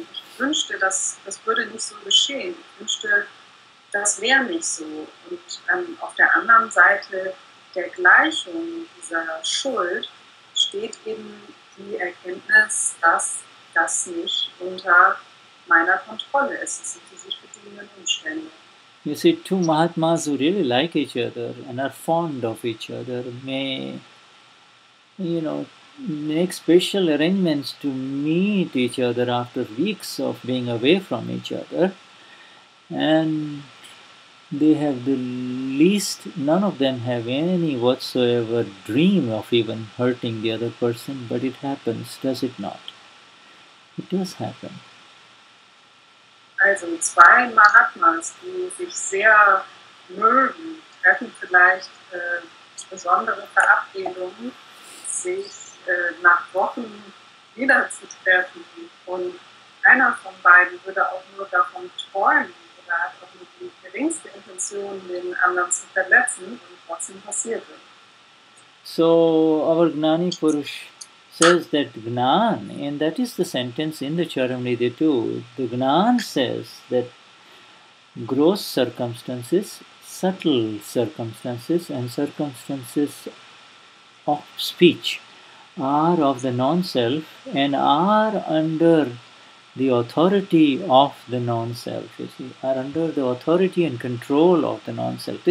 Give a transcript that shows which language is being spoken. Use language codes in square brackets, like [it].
[de] Ich wünschte, das würde nicht so geschehen. Ich wünschte, das wäre nicht so. Und auf der anderen Seite der Gleichung dieser Schuld steht eben die Erkenntnis, dass das nicht unter meiner Kontrolle ist. Es sind diese bedingenden Umstände. [en] You see, two Mahatmas who really like each other and are fond of each other may, you know, make special arrangements to meet each other after weeks of being away from each other, and they have the least, none of them have any whatsoever dream of even hurting the other person, but it happens, does it not? It does happen. [de] Also zwei Mahatmas, die sich sehr mögen, treffen vielleicht besondere Verabredungen, sich nach Wochen wieder zu treffen. Und einer von beiden würde auch nur davon träumen, oder hat auch nur die geringste Intention, den anderen zu verletzen, und trotzdem passiert es. [en] So our Gnani Purush says that Gnan, and that is the sentence in the Charamnidhi too, the Gnan says that gross circumstances, subtle circumstances, and circumstances of speech are of the non-self and are under the authority of the non-self, you see, are under the authority and control of the non-self.